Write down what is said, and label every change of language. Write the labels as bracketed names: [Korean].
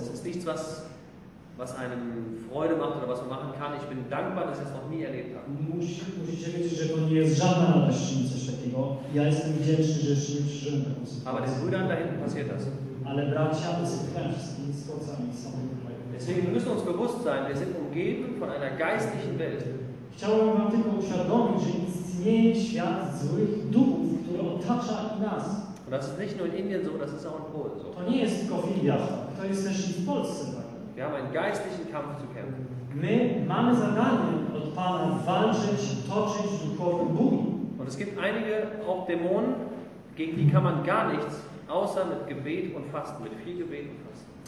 [German] Es ist nichts, was einem Freude macht oder was man machen kann. Ich bin dankbar, dass ich es noch nie erlebt habe. [Polish] Musicie wiedzieć, że to nie jest żadna radość, nic coś takiego. Ja jestem wdzięczny, że jeszcze nie przeżyłem taką sytuację. [German] Aber den Brüdern da hinten passiert das. [Polish] Ale bracia, to jest wszystkim z kocami, z samym. [German] Deswegen müssen wir uns bewusst sein, wir sind umgeben von einer geistlichen Welt. [Polish] Chciałbym wam tylko uświadomić, że istnieje świat złych duchów, który otacza nas. [German] Und das ist nicht nur in Indien so, das ist auch in Polen so. [Polish] To nie jest tylko w Indiach, to jest też i w Polsce. [German] Wir haben einen geistlichen Kampf zu kämpfen. [Polish] My mamy zadanie od Pana walczyć, toczyć duchowy bój. [German] Und es gibt einige auch Dämonen, gegen die kann man gar nichts, außer mit Gebet und Fasten, mit viel Gebet und Fasten.